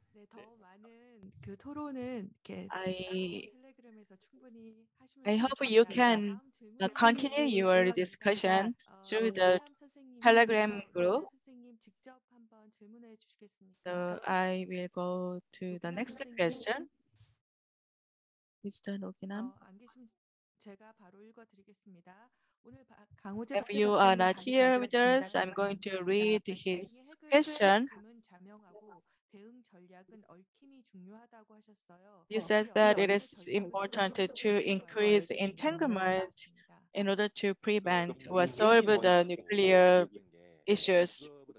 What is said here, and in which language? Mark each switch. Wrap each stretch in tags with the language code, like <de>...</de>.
<ko>네, 더 많은 그 토론은 이렇게 텔레그램에서 충분히 하시면.</ko> <en>I hope you can continue your discussion through the Telegram group.</en> <ko>선생님 직접 한번 질문해 주시겠습니까?</ko> <en>So I will go to the next question, Mr. Okinam.</en> <ko>제가 바로 읽어드리겠습니다. 오늘</ko> <en>강호재 If you are not here with us, I'm going to read his question.</en> <ko>자명하고 대응 전략은 얽힘이 중요하다고 하셨어요.</ko> <en>You said that it is important to increase entanglement in order to prevent or solve the nuclear issues.</en>